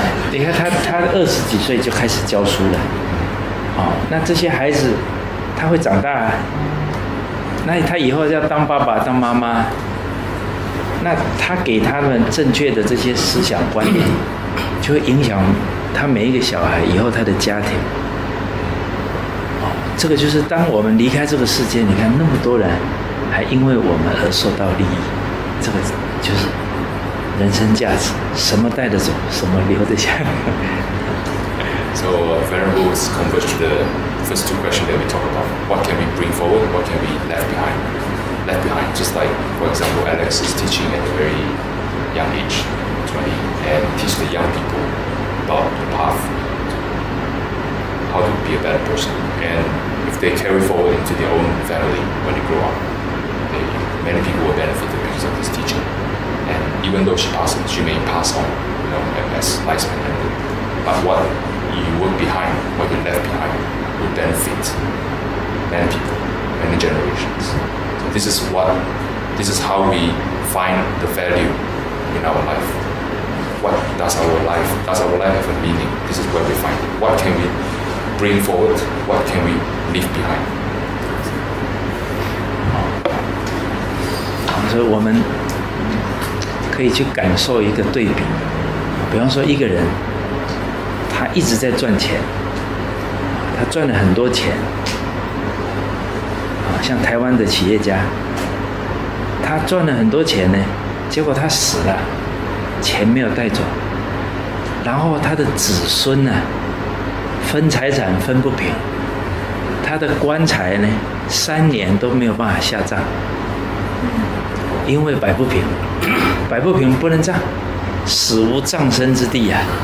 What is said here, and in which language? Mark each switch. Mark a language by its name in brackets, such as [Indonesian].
[Chinese] 你看他二十几岁就开始教书了，哦，那这些孩子他会长大，啊，那他以后要当爸爸当妈妈，那他给他们正确的这些思想观念，就会影响他每一个小孩以后他的家庭。这个就是当我们离开这个世界，你看那么多人还因为我们而受到利益，这个就是人生价值，什么带得走，什么留得下。 [English] So Venerable is converged to the first two questions that we talk about. What can we bring forward? What can we left behind? Left behind, just like, for example, Alex is teaching at a very young age, 20, and teach the young people about the path, how to be a better person. And if they carry forward into their own family when they grow up, many people will benefit because of this teaching. And even though she passed, she may pass on, you know, as lifespan ended. But what you work behind, what you left behind, will benefit many people, many generations. So this is what, this is how we find the value in our life. What does our life, does our life have a meaning? This is where we find it. What can we bring forward? What can we leave behind? [Chinese] 所以我们可以去感受一个对比，比方说一个人他一直在赚钱，他赚了很多钱，像台湾的企业家，他赚了很多钱呢，结果他死了，钱没有带走，然后他的子孙呢分财产分不平，他的棺材呢三年都没有办法下葬，因为摆不平，摆不平不能葬，死无葬身之地啊，